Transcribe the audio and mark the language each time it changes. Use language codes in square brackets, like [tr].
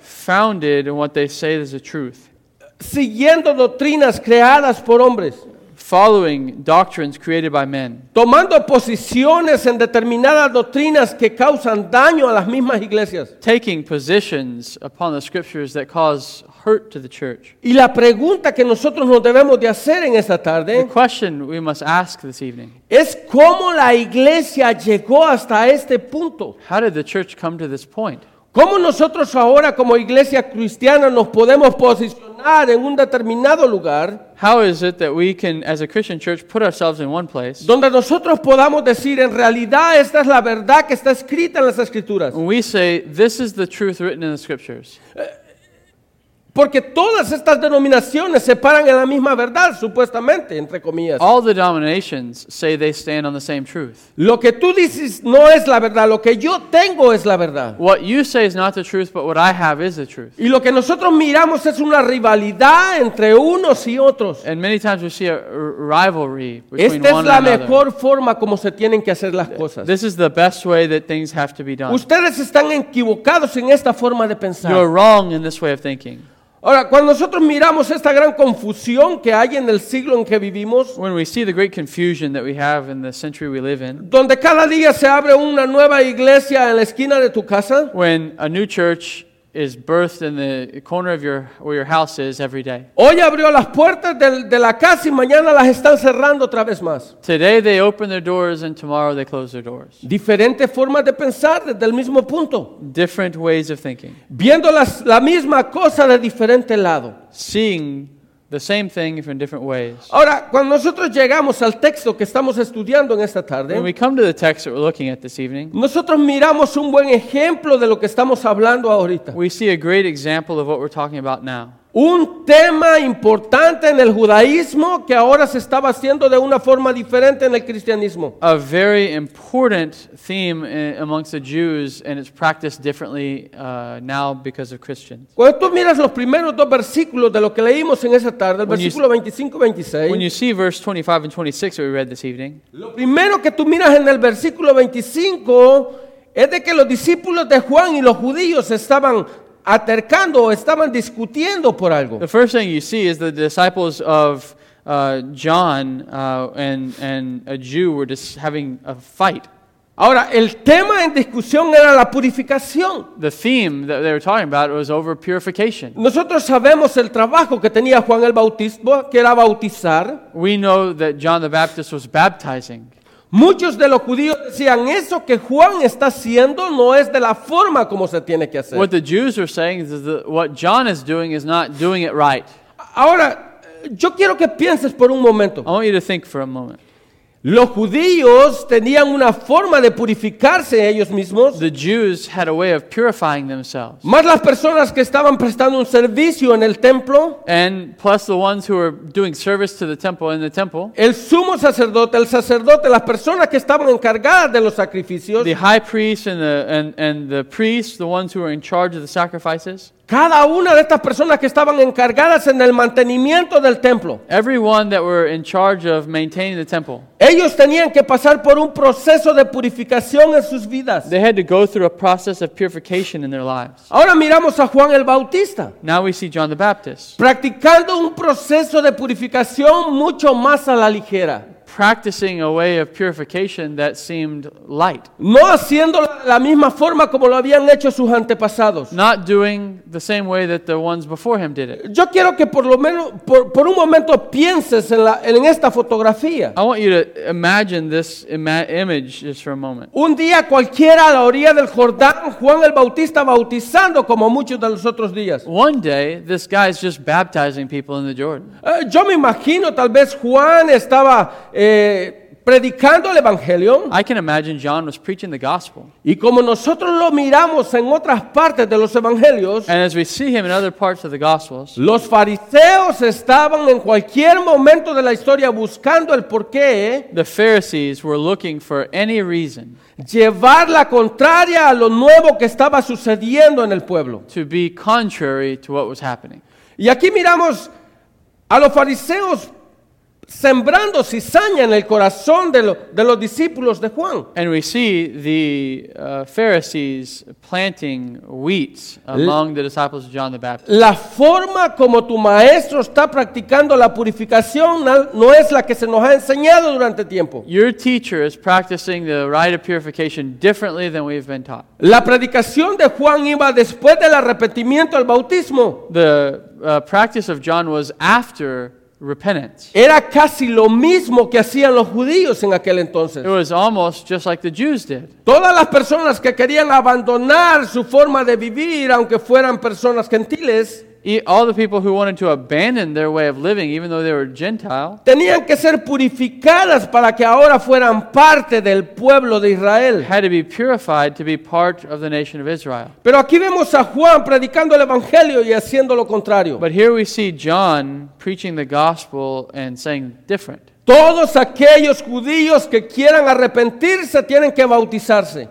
[en] founded in what they say is the truth, [es] siguiendo doctrinas creadas por hombres, [en] following doctrines created by men, [es] tomando posiciones en determinadas doctrinas que causan daño a las mismas iglesias, [en] taking positions upon the scriptures that cause hurt to the church. [es] Y la pregunta que nosotros nos debemos de hacer en esta tarde, [en] the question we must ask this evening, [es] es cómo la iglesia llegó hasta este punto. [en] How did the church come to this point? [es] ¿Cómo nosotros ahora como iglesia cristiana nos podemos posicionar en un determinado lugar? [en] How is it that we can, as a Christian church, put ourselves in one place? [es] Donde nosotros podamos decir, en realidad, esta es la verdad que está escrita en las Escrituras. [en] We say, this is the truth written in the Scriptures. [es] Porque todas estas denominaciones se paran en la misma verdad, supuestamente, entre comillas. [en] All the denominations say they stand on the same truth. [es] Lo que tú dices no es la verdad, lo que yo tengo es la verdad. [en] What you say is not the truth, but what I have is the truth. [es] Y lo que nosotros miramos es una rivalidad entre unos y otros. [en] And many times we see a rivalry between one another. [es] Esta es la mejor forma como se tienen que hacer las cosas. [en] This is the best way that things have to be done. [es] Ustedes están equivocados en esta forma de pensar. [en] You're wrong in this way of thinking. [es] Ahora, cuando nosotros miramos esta gran confusión que hay en el siglo en que vivimos, [en] when we see the great confusion that we have in the century we live in, [es] donde cada día se abre una nueva iglesia en la esquina de tu casa, [en] when a new church is birthed in the corner of your where your house is every day. [es] Hoy abrió las puertas de la casa y mañana las están cerrando otra vez más. [en] Today they open their doors and tomorrow they close their doors. [es] Diferentes formas de pensar desde el mismo punto. [en] Different ways of thinking. [es] Viendo la misma cosa de diferente lado. [en] Seeing the same thing in different ways. [es] Ahora, cuando nosotros llegamos al texto que estamos estudiando en esta tarde, [en] when we come to the text that we're looking at this evening, [es] nosotros miramos un buen ejemplo de lo que estamos hablando ahorita. [en] We see a great example of what we're talking about now. [es] Un tema importante en el judaísmo que ahora se estaba haciendo de una forma diferente en el cristianismo. [en] A very important theme amongst the Jews, and it's practiced differently now because of Christians. [es] Cuando tú miras los primeros dos versículos de lo que leímos en esa tarde, el versículo 25-26. [en] When you see verse 25 and 26 that we read this evening. [es] Lo primero que tú miras en el versículo 25 es de que los discípulos de Juan y los judíos estaban atercando, estaban discutiendo por algo. [en] The first thing you see is the disciples of John and a Jew were just having a fight. [es] Ahora, el tema en discusión era la purificación. [en] The theme that they were talking about was over purification. [es] Nosotros sabemos el trabajo que tenía Juan el Bautista, que era bautizar. [en] We know that John the Baptist was baptizing. [es] Muchos de los judíos decían eso que Juan está haciendo no es de la forma como se tiene que hacer. [en] What the Jews are saying is that what John is doing is not doing it right. [es] Ahora, yo quiero que pienses por un momento. [en] I want you to think for a moment. [es] Los judíos tenían una forma de purificarse ellos mismos. [en] The Jews had a way of purifying themselves. [es] Más las personas que estaban prestando un servicio en el templo. [en] And plus the ones who were doing service to the temple in the temple. [es] El sumo sacerdote, el sacerdote, las personas que estaban encargadas de los sacrificios. [en] The high priest and the priests, the ones who were in charge of the sacrifices. [es] Cada una de estas personas que estaban encargadas en el mantenimiento del templo. [en] Everyone that were in charge of maintaining the temple. [es] Ellos tenían que pasar por un proceso de purificación en sus vidas. [en] They had to go through a process of purification in their lives. [es] Ahora miramos a Juan el Bautista. [en] Now we see John the Baptist. [es] Practicando un proceso de purificación mucho más a la ligera. [en] Practicing a way of purification that seemed light. [es] No haciendo la misma forma como lo habían hecho sus antepasados. [en] Not doing the same way that the ones before him did it. [es] Yo quiero que por lo menos por un momento pienses en esta fotografía. [en] I want you to imagine this image just for a moment. [es] Un día cualquiera a la orilla del Jordán, Juan el Bautista bautizando como muchos de los otros días. [en] One day, this guy is just baptizing people in the Jordan. [es] Yo me imagino tal vez Juan estaba predicando el evangelio. [en] I can imagine John was preaching the gospel. [es] Y como nosotros lo miramos en otras partes de los evangelios, [en] and as we see him in other parts of the gospels, [es] los fariseos estaban en cualquier momento de la historia buscando el porqué. [en] The Pharisees were looking for any reason. [es] Llevar la contraria a lo nuevo que estaba sucediendo en el pueblo. [en] To be contrary to what was happening. [es] Y aquí miramos a los fariseos sembrando cizaña en el corazón de los discípulos de Juan. [en] And we see the Pharisees planting wheat among the disciples of John the Baptist. [es] La forma como tu maestro está practicando la purificación no es la que se nos ha enseñado durante tiempo. [en] Your teacher is practicing the rite of purification differently than we've been taught. [es] La predicación de Juan iba después del arrepentimiento al bautismo. [en] The practice of John was after repentance. [es] Era casi lo mismo que hacían los judíos en aquel entonces. [en] It was almost just like the Jews did. [es] Todas las personas que querían abandonar su forma de vivir, aunque fueran personas gentiles, [en] all the people who wanted to abandon their way of living, even though they were Gentile, [es] tenían que ser purificadas para que ahora fueran parte del pueblo de Israel. [en] Had to be purified to be part of the nation of Israel. [es] Pero aquí vemos a Juan predicando el evangelio y haciendo lo contrario. [en] But here we see John preaching the gospel and saying different. [es] Todos aquellos judíos que quieran arrepentirse tienen que bautizarse.